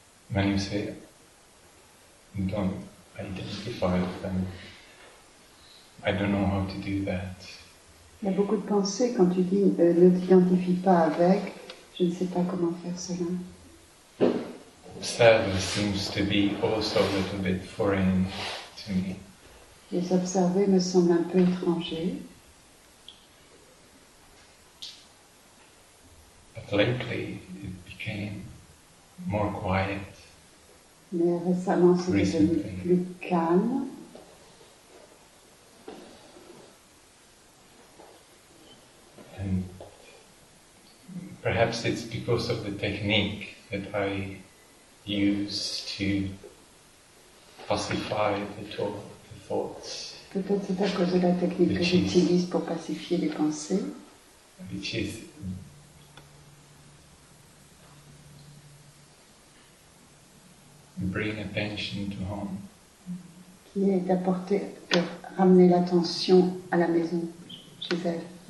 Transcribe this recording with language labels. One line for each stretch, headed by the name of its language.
English: When you say you don't identify with them, I don't know how to do that.
French: Il y a beaucoup de pensées quand tu dis ne t'identifie pas avec. Je ne sais pas comment faire cela.
English: Observer seems to be also a little bit foreign to me.
French: Les observer me semble un peu étranger.
English: But lately it became more quiet.
French: Mais récemment, c'est devenu plus calme.
English: And perhaps it's because of the technique that I use to pacify the thoughts.
French: Peut-être c'est à cause de la technique que j'utilise pour pacifier les pensées.
English: Which is bring attention to home.
French: Qui est d'apporter, de ramener l'attention à la maison, chez elle.